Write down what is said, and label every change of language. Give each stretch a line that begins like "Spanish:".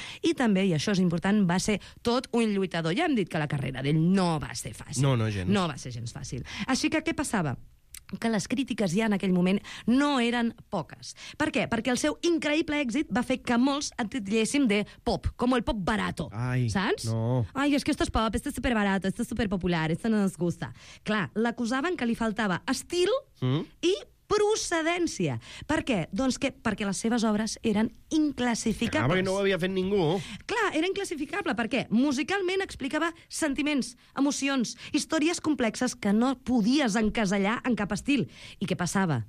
Catalan: I també, i això és important, va ser tot un lluitador. Ja hem dit que la carrera d'ell no va ser fàcil. No, gens. No va ser gens fàcil. Així que què passava? que les crítiques ja en aquell moment no eren poques. Per què? Perquè el seu increïble èxit va fer que molts et titllessin de pop, com el pop barato. Ai, saps? No. Ai, és que
Spanish: esto es pop, esto es super barato, esto es super popular, esto no nos gusta.
Catalan: Clar, l'acusaven que li faltava estil i procedència. Per què? Doncs que, perquè les seves obres eren inclassificables. Clar, no ho havia fet ningú. Clar, era inclassificable. Per què? Musicalment explicava sentiments, emocions, històries complexes que no podies encasellar en cap estil. I què passava?